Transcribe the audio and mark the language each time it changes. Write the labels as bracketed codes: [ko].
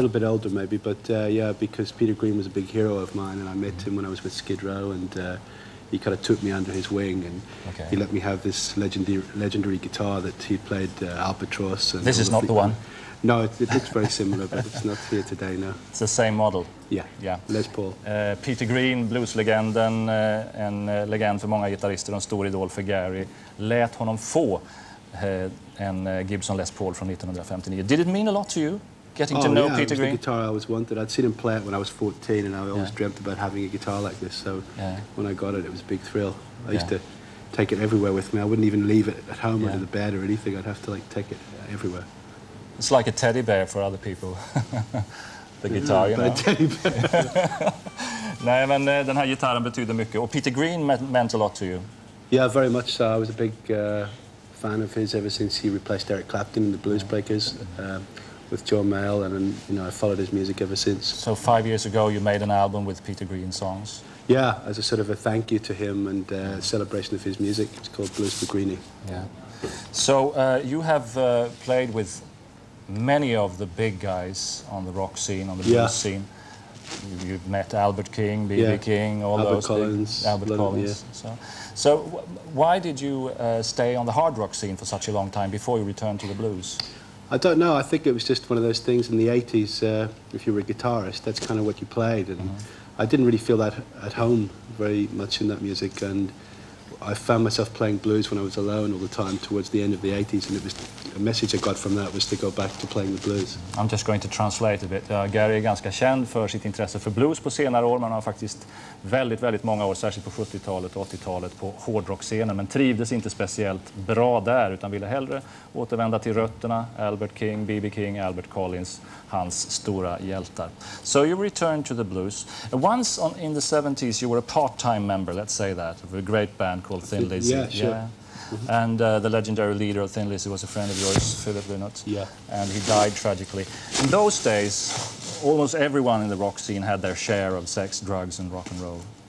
[en] Yeah, a little bit older maybe, but yeah, because Peter Green was a big hero of mine, and I met him when I was with Skid Row, and he kind of took me under his wing, and he let me have this legendary guitar that he played Albatross. And this is not the one? No, it looks very similar, but it's not here today, no. It's the same model? Yeah. Les Paul. [sv] Peter Green, blueslegenden, en legend för många gitarrister och en stor idol för Gary, lät honom få en Gibson Les Paul från 1959. [en] Did it mean a lot to you, getting to know Peter Green? Oh yeah, it was the guitar I always wanted. I'd seen him play it when I was 14, and I always dreamt about having a guitar like this, so when I got it, it was a big thrill. I used to take it everywhere with me. I wouldn't even leave it at home under the bed or anything. I'd have to like take it everywhere. It's like a teddy bear for other people, the guitar, you know. A teddy bear. [sv] Nej, men den här gitarren betyder mycket. Och [en] Peter Green meant a lot to you. Yeah, very much so. I was a big fan of his ever since he replaced Eric Clapton in the Blues Breakers with John Mayall, and you know, I followed his music ever since. So 5 years ago, you made an album with Peter Green songs. Yeah, as a sort of a thank you to him and a celebration of his music. It's called Blues for Greenie. Yeah. So you have played with many of the big guys on the rock scene, on the blues scene. You've met Albert King, B.B. King, all Albert those Collins, big, Albert London, Collins. Yeah. So why did you stay on the hard rock scene for such a long time before you returned to the blues? I don't know. I think it was just one of those things in the 80s, if you were a guitarist, that's kind of what you played. And I didn't really feel that at home very much in that music. And I found myself playing blues when I was alone all the time towards the end of the 80s, and it was a message I got from that was to go back to playing the blues. I'm just going to translate a bit. [sv] Gary är ganska känd för sitt intresse för blues på senare år, men har faktiskt väldigt, väldigt många år, särskilt på 70-talet och 80-talet, på hårdrockscenen, men trivdes inte speciellt bra där, utan ville hellre återvända till rötterna, Albert King, B.B. [en] King, Albert Collins, [sv] hans stora hjältar. [en] So you returned to the blues. Once on, in the 70s you were a part-time member, let's say that, of a great band called Thin Lizzy. And the legendary leader of Thin Lizzy was a friend of yours, Philip Lynott. And he died tragically. In those days, almost everyone in the rock scene had their share of sex, drugs and rock and roll.